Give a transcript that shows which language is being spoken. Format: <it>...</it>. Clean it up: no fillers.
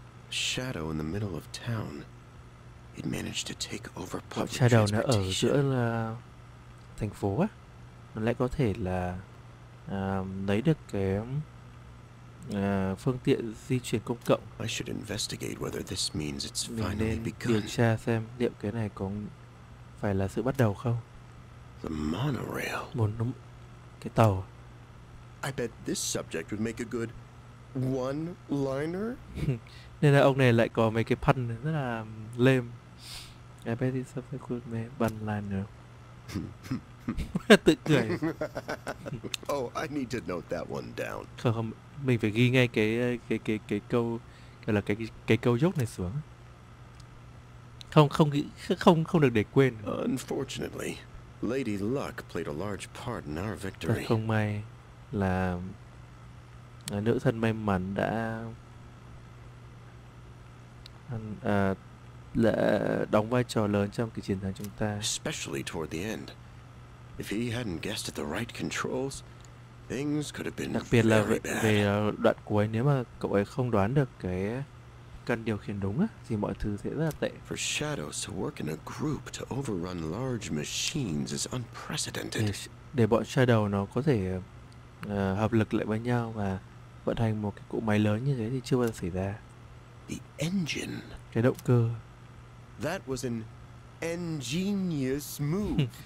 <en>Shadow in the middle of town. It managed to take over public transportation.</en> <vi>Shadow nó ở giữa là thành phố á. Nó lại có thể là lấy được cái phương tiện di chuyển công cộng.</vi> <en>I should investigate whether this means it's finally</en> <vi>nên điều tra xem liệu cái này có phải là sự bắt đầu không.</vi> <en>The monorail.</en> <vi>Một cái tàu.</vi> <en>I bet this subject would make a good one liner.</en> <vi>Nên là ông này lại có mấy cái pun rất là lame.</vi> <en>I bet this subject would make one liner.</en> <vi>Tự cười.</vi> <en>Oh, I need to note that one down.</en> <vi>Không, mình phải ghi ngay cái câu gọi là cái câu dốc này xuống. Không được để quên.</vi> <en>Unfortunately, Lady Luck played a large part in our victory.</en> <vi>Thật không may là nữ thần may mắn đã là đóng vai trò lớn trong cái chiến thắng chúng ta.</vi> <en>Especially toward the end. If he hadn't guessed at the right controls, things could have been very bad.</en> <vi>Đặc biệt là về đoạn cuối, nếu mà cậu ấy không đoán được cái cần điều khiển đúng á, thì mọi thứ sẽ rất là tệ.</vi> <en>For shadows to work in a group to overrun large machines is unprecedented.</en> <vi>Để bọn Shadow nó có thể hợp lực lại với nhau và vận hành một cái cỗ máy lớn như thế thì chưa bao giờ xảy ra.</vi> <en>The engine.</en> <vi>Cái động cơ.</vi> <en>That was an ingenious move.</en>